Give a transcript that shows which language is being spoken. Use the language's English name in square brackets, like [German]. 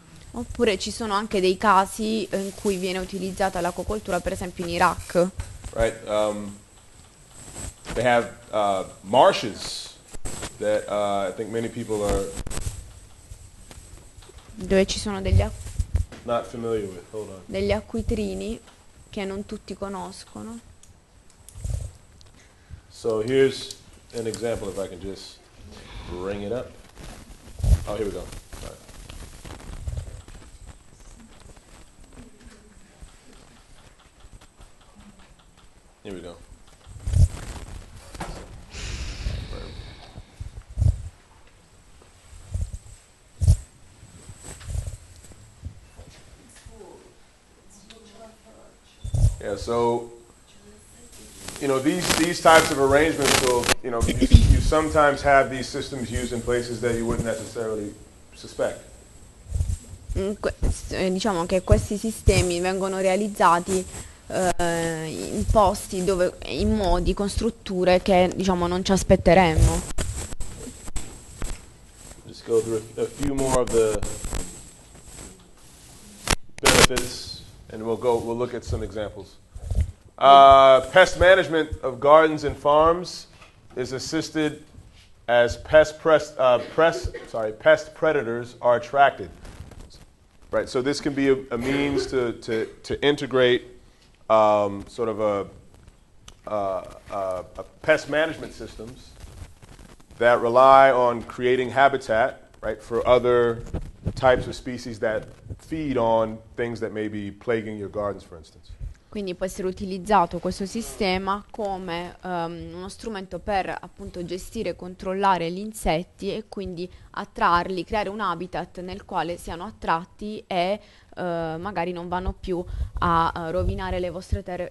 [Italian] Oppure ci sono anche dei casi in cui viene utilizzata l'acquacoltura, per esempio in Iraq. [English] Right, they have marshes that I think many people are [Italian] Dove ci sono degli acquitrini [English] not familiar with. Hold on. [Italian] che non tutti conoscono. [English] So here's an example, if I can just bring it up. Oh, here we go. Here we go. Yeah, so, these types of arrangements will, you sometimes have these systems used in places that you wouldn't necessarily suspect. [Italian] Diciamo che questi sistemi vengono realizzati in posti dove, in modi, con strutture che, diciamo, non ci aspetteremmo. [English] Just go through a few more of the benefits, and we'll look at some examples. Pest management of gardens and farms is assisted as pest predators are attracted. Right, so this can be a means to integrate sort of a pest management systems that rely on creating habitat, right, for other types of species that feed on things that may be plaguing your gardens, for instance. [Italian] Quindi può essere utilizzato questo sistema come uno strumento per appunto gestire e controllare gli insetti e quindi attrarli, creare un habitat nel quale siano attratti e magari non vanno più a rovinare le vostre terre.